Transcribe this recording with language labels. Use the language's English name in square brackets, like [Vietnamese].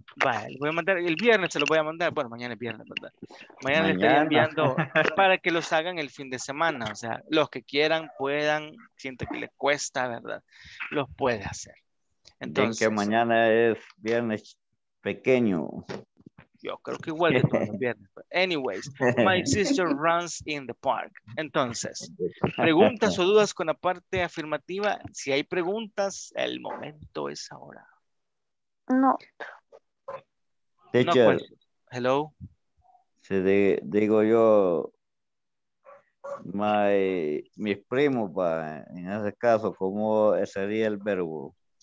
[Spanish] Vale, lo voy a mandar, el viernes se lo voy a mandar, bueno, mañana es viernes, ¿verdad? Mañana le estoy enviando para que los hagan el fin de semana, o sea, los que quieran, puedan, siente que le cuesta, ¿verdad? Los puede hacer. Entonces, bien, que mañana es viernes pequeño. Yo creo que igual de todos los viernes. [English] But anyways, my sister runs in the park. [Spanish] Entonces, preguntas o dudas con la parte afirmativa. Si hay preguntas, el momento es ahora. No. [English] Teacher. No, hello. [Spanish] Si de, digo yo, mis primos, pa, en ese caso, ¿cómo sería el verbo?